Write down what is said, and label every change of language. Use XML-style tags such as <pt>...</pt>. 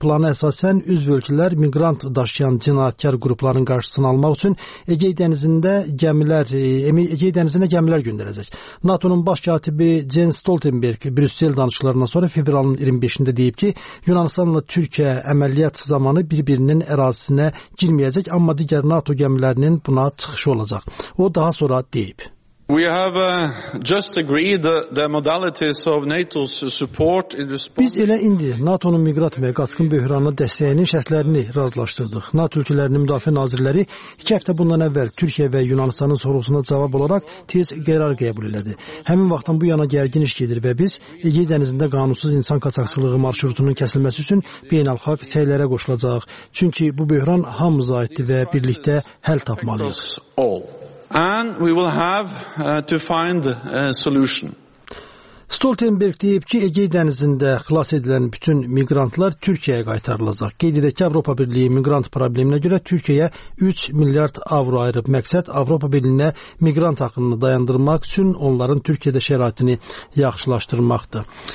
<az>Plana əsasən üzv ölkələr miqrant daşıyan cinayətkar qrupların qarşısını almaq üçün Egey dənizinə gəmilər göndərəcək. NATO-nun baş katibi Jens Stoltenberg Brüssel danışıqlarından sonra fevralın 25-də deyib ki, Yunanıstanla Türkiyə əməliyyat zamanı bir-birinin ərazisinə girməyəcək, amma digər NATO gəmilərinin buna çıxışı olacaq. O daha sonra deyib.</az> <en>We have just agreed the modalities of NATO's support in response.</en> <az>Biz elə indi NATO-nun miqrant və qaçqın böhranına dəstəyinin şərtlərini razılaşdırdıq. NATO ölkələrinin müdafiə nazirləri 2 həftə bundan əvvəl Türkiyə və Yunanıstanın sorğusuna cavab olaraq tez qərar qəbul elədi. Həmin vaxtdan bu yana gərgin iş gedir və biz Egey dənizində qanunsuz insan qaçaqçılığı marşrutunun kəsilməsi üçün beynəlxalq səylərə qoşulacağıq. Çünki bu böhran hamımıza aiddir və birlikdə həll tapmalıyıq.</az> <en>And we will have to find a solution.</en> <az>Stoltenberg deyib ki, Egey dənizində xilas edilən bütün miqrantlar Türkiyəyə qaytarılacaq. Qeyd edək ki, Avropa Birliyi miqrant probleminə görə Türkiyəyə 3 milyard avro ayırıb. Məqsəd Avropa Birliyinə miqrant axınını dayandırmaq üçün onların Türkiyədə şəraitini yaxşılaşdırmaqdır.</az>